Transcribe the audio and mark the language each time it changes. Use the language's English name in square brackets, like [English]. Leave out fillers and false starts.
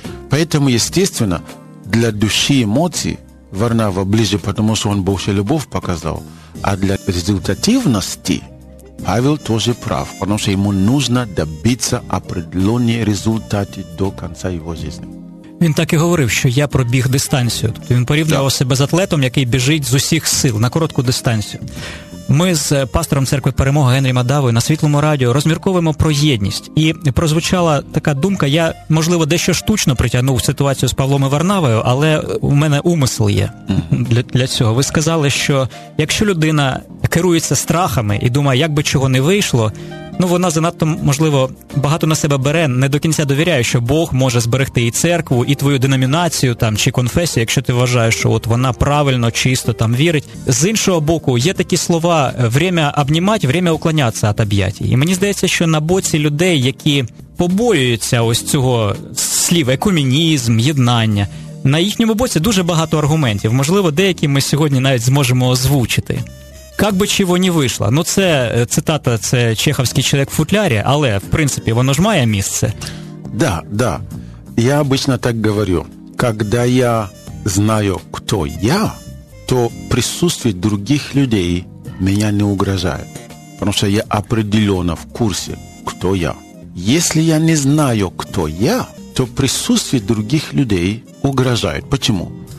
[Russian] Поэтому, естественно, для души и эмоций Варнава ближе, потому что он больше любовь показал. А для результативности Павел тоже прав, потому что ему нужно добиться определенных результатов до конца его жизни. [Ukrainian] Він так і говорив, що я пробіг дистанцію. Тобто він порівнював себе з атлетом, який біжить з усіх сил на коротку дистанцію. Ми з пастором церкви «Перемога» Генрі Мадавою на Світлому радіо розмірковуємо про єдність. І прозвучала така думка, я, можливо, дещо штучно притягнув ситуацію з Павлом і Варнавою, але у мене умисел є для цього. Ви сказали, що якщо людина керується страхами і думає, як би чого не вийшло, ну, вона занадто, можливо, багато на себе бере, не до кінця довіряє, що Бог може зберегти і церкву, і твою деномінацію, там, чи конфесію, якщо ти вважаєш, що от вона правильно, чисто там вірить. З іншого боку, є такі слова [Russian] «время обнімать», «время уклоняться от об'ятій». [Ukrainian] І мені здається, що на боці людей, які побоюються ось цього слова «екумінізм», «єднання», на їхньому боці дуже багато аргументів. Можливо, деякі ми сьогодні навіть зможемо озвучити. [Russian] Как би чи воні вийшла? [Ukrainian] Ну, це цитата, це чеховський чоловік в футлярі, але, в принципі, воно ж має місце. [Russian] Да, да. Я обычно так говорю. Когда я знаю, кто я, то присутствие других людей меня не угрожает. Потому что я определенно в курсе, кто я. Если я не знаю, кто я, то присутствие других людей угрожает. Почему?